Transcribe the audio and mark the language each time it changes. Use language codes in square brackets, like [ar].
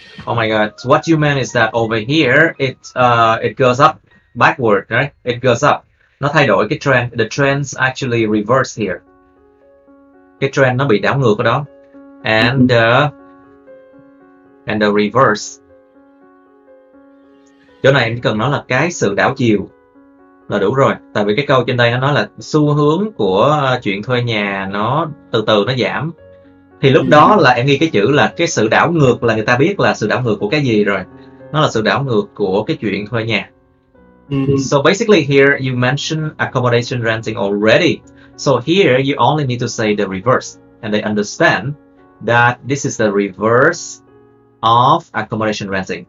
[en] Oh my god, what you mean is that over here it goes up backward, right? It goes up. [vi] Nó thay đổi cái trend, [en] the trends actually reverse here. [vi] Cái trend nó bị đảo ngược ở đó. [en] And the reverse. [vi] Chỗ này em chỉ cần nói là cái sự đảo chiều là đủ rồi. Tại vì cái câu trên đây nó nói là xu hướng của chuyện thuê nhà nó từ từ nó giảm. Thì lúc đó là em ghi cái chữ là cái sự đảo ngược là người ta biết là sự đảo ngược của cái gì rồi. Nó là sự đảo ngược của cái chuyện thuê nhà. [en] So basically here you mentioned accommodation renting already. So here you only need to say the reverse. And they understand that this is the reverse of accommodation renting.